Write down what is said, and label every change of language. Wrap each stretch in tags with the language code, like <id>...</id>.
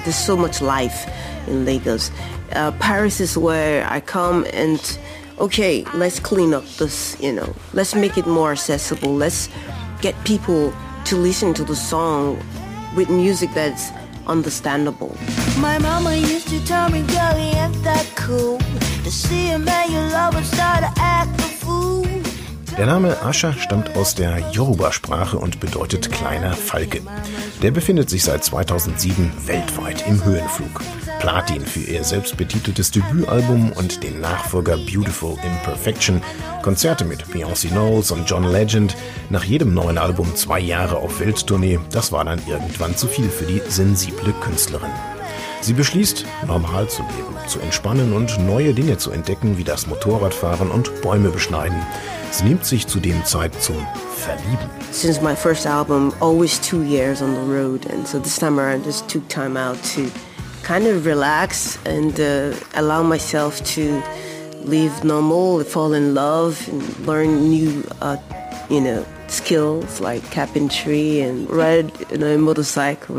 <en>There's so much life in Lagos. Paris is where I come and, okay, let's clean up this, you know, let's make it more accessible. Let's get people to listen to the song with music that's understandable. My mama used to tell me, girl, he ain't that cool. To see a man you love and start to act a fool.</en> <de>Der Name Asha stammt aus der Yoruba-Sprache und bedeutet kleiner Falke. Der befindet sich seit 2007 weltweit im Höhenflug. Platin für ihr selbstbetiteltes Debütalbum und den Nachfolger Beautiful Imperfection. Konzerte mit Beyoncé Knowles und John Legend. Nach jedem neuen Album 2 Jahre auf Welttournee. Das war dann irgendwann zu viel für die sensible Künstlerin. Sie beschließt, normal zu leben, zu entspannen und neue Dinge zu entdecken, wie das Motorradfahren und Bäume beschneiden. Sie nimmt sich zu dem Zeit zum Verlieben.</de> <en>Since my first album, always 2 years on the road, and so this time around, just took time out to kind of relax and allow myself to live normal, fall in love, and learn new, skills like carpentry and ride in a motorcycle.</en>